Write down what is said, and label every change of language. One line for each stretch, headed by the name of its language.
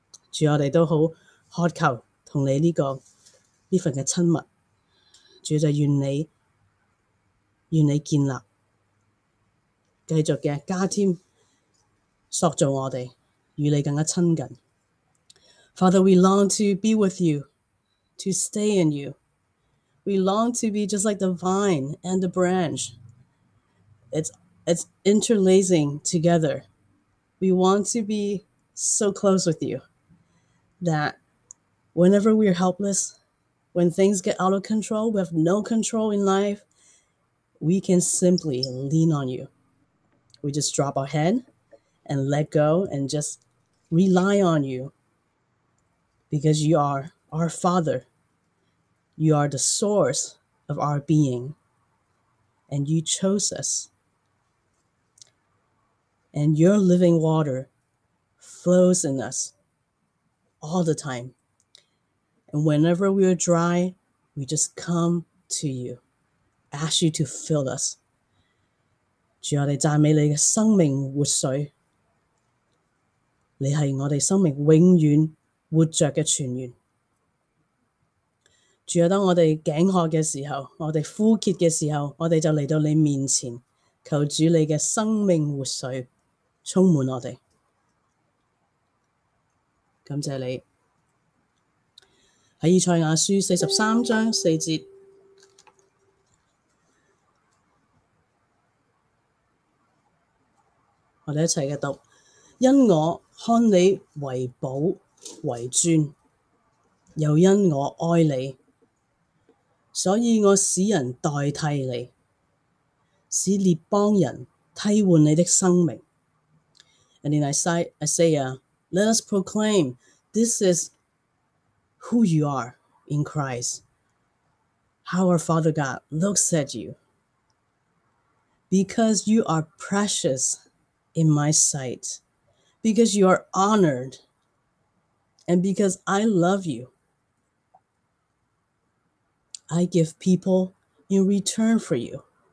Chinese: 主，我们都很渴求和你这份的亲密。主，就愿你，愿你建立，继续的加添塑造我们，与你更加亲近。
English: Father, we long to be with you, to stay in you. We long to be just like the vine and the branch. It's interlacing together. We want to be so close with you that whenever we're helpless, when things get out of control, we have no control in life, we can simply lean on you. We just drop our head and let go and just rely on you because you are our Father. You are the source of our being, and you chose us. And your living water flows in us all the time. And whenever we are dry, we just come to you, ask you to fill us.
Chinese: 主，我们赞美你的生命活水，你是我们生命永远活着的泉源。主，当我们颈渴的时候，我们枯竭的时候，我们就来到你面前，求主你的生命活水充满我们。感谢你。在以赛亚书43章4节，我们一起的读：因我看你为宝为尊，又因我爱你，所以我使人代替你，使列邦人替换你的生命。
English: And in Isaiah, let us proclaim, this is who you are in Christ, how our Father God looks at you. Because you are precious in my sight, because you are honored, and because I love you,I give people in return for you.